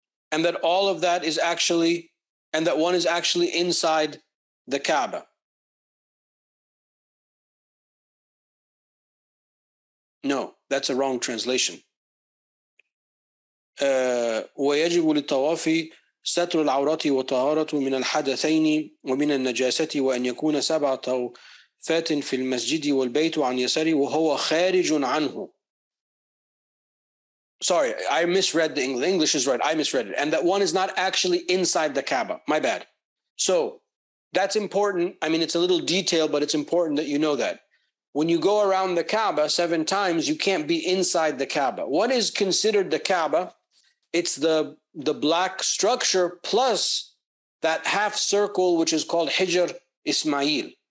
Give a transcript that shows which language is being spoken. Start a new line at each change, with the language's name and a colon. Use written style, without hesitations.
English: And that all of that is actually, and that one is actually inside the Kaaba. No, that's a wrong translation.
Arabic: ويجب للطواف ستر العورة وطهارة من الحدثين ومن النجاسة وأن يكون سبع طوافات في المسجد والبيت عن يساري وهو خارج عنه.
English: Sorry, I misread the English. English is right. I misread it. And that one is not actually inside the Kaaba. My bad. So that's important. I mean, it's a little detail, but it's important that you know that. When you go around the Kaaba seven times, you can't be inside the Kaaba. What is considered the Kaaba? It's the black structure plus that half circle, which is called Hijr Ismail.